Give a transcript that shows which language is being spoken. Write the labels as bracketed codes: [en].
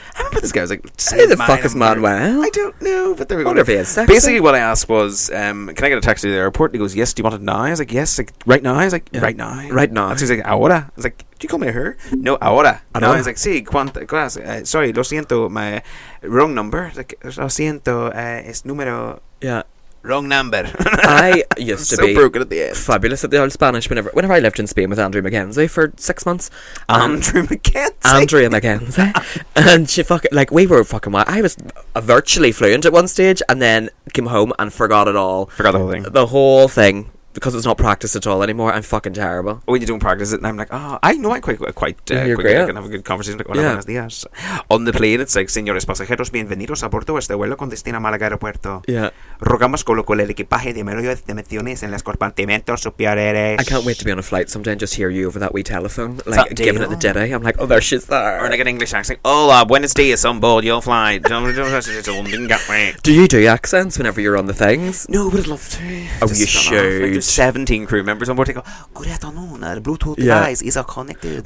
[en] I remember this guy. I was like... Say the fuck is Manuel? I don't know, but there we go. I wonder if he has sex. Basically, what I asked was, can I get a taxi to the airport? And he goes, yes, do you want it now? I was like, yes. Like, right now? I was like, yeah. Right now. So he's like, ahora. I was like, do you call me her? No, ahora. And no. I was like, sí, cuánto... sorry, lo siento, my wrong number. [es] Like, lo siento, es número... [en] Yeah. Wrong number. I used so to be broken at the end. Fabulous at the old Spanish whenever I lived in Spain with Andrea McKenzie for 6 months. Andrea McKenzie? Andrea McKenzie. And she fucking, like, we were fucking wild. I was virtually fluent at one stage and then came home and forgot it all. Forgot the whole thing. The whole thing. Because it's not practiced at all anymore. I'm fucking terrible. When you don't practice it, and I'm like, oh, I know I'm quite you're great. I can have a good conversation. [es] Like, buenos días. On the plane, it's like, señores pasajeros, bienvenidos a bordo este vuelo con destino a Málaga Aeropuerto. [en] Yeah. [es] Rogamos colocar el equipaje de mero de menciones en los compartimentos superiores. [en] I can't wait to be on a flight someday and just hear you over that wee telephone. Like, giving it the Jedi. I'm like, oh, there she's there. Or like an English accent. Hola, buenos días, on board your flight. Do you do accents whenever you're on the things? No, but I'd love to. Oh, you should. 17 crew members on board. They go, good afternoon, the Bluetooth device is connected.